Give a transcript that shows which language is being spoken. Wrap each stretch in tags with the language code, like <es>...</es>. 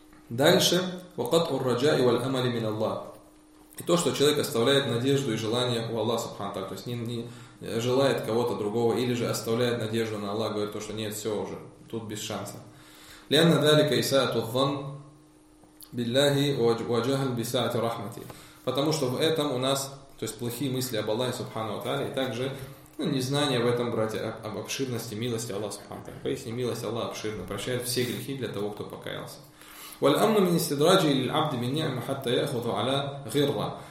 <ru>Дальше.</ru> <ar>وَقَطْءُ الرَّجَاءِ وَالْأَمَلِ مِنَ اللَّهِ.</ar> <ru>И то, что человек оставляет надежду и желание у Аллаха Субхану Тааля. То есть не желает кого-то другого или же оставляет надежду на Аллах, говорит, что нет, все уже, тут без шанса.</ru> <ar>لأن ذلك إساءة الظن بالله وجهل بساعة رحمته.</ar> <ru>Потому что в этом у нас, то есть плохие мысли об Аллахе Субхану ва Тааля, и также незнание в этом, братья, об обширности милости Аллаха Субхану ва Тааля. Поистине милость Аллаха обширна, прощает все грехи для того, кто покаялся.</ru> <ar>وَالْأَمْنُ مِنْ إِسْتِدْرَاجِ لِلْعَبْدِ مِنْ نِعْمَ حَتَّى يَأْخُذَ عَلَى غِرَّةٍ.</ar>